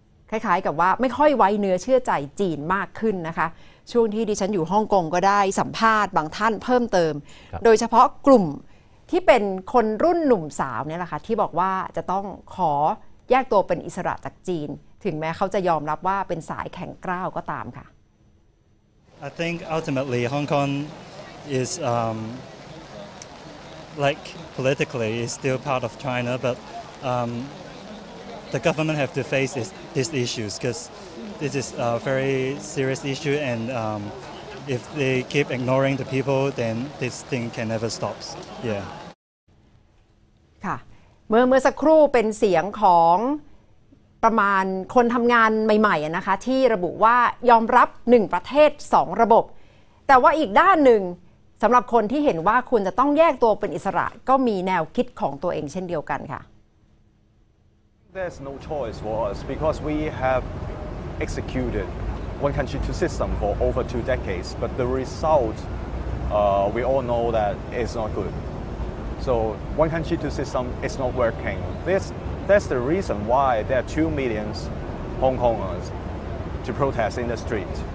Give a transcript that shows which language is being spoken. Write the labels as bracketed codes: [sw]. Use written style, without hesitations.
[th] คล้ายๆกับว่าไม่ค่อยไว้เนื้อเชื่อใจจีนมากขึ้นนะคะช่วงที่ดิฉันอยู่ฮ่องกงก็ได้สัมภาษณ์บางท่านเพิ่มเติมโดยเฉพาะกลุ่มที่เป็นคนรุ่นหนุ่มสาวเนี่ยแหละค่ะที่บอกว่าจะต้องขอแยกตัวเป็นอิสระจากจีนถึงแม้เขาจะยอมรับว่าเป็นสายแข็งกร้าวก็ตามค่ะ [en] I think ultimately Hong Kong is like politically is still part of China but the government have to face these issues because this is a very serious issue and if they keep ignoring the people then this thing can never stops yeah [th] ค่ะเมื่อสักครู่เป็นเสียงของประมาณคนทำงานใหม่ๆนะคะที่ระบุว่ายอมรับ1ประเทศ2ระบบแต่ว่าอีกด้านหนึ่งสำหรับคนที่เห็นว่าคุณจะต้องแยกตัวเป็นอิสระก็มีแนวคิดของตัวเองเช่นเดียวกันค่ะ [en] There's no choice for us because we have executed one country two system for over two decades. But the result, we all know that is not good. So one country two system is not working. That's the reason why there are 2 million Hong Kongers to protest in the street.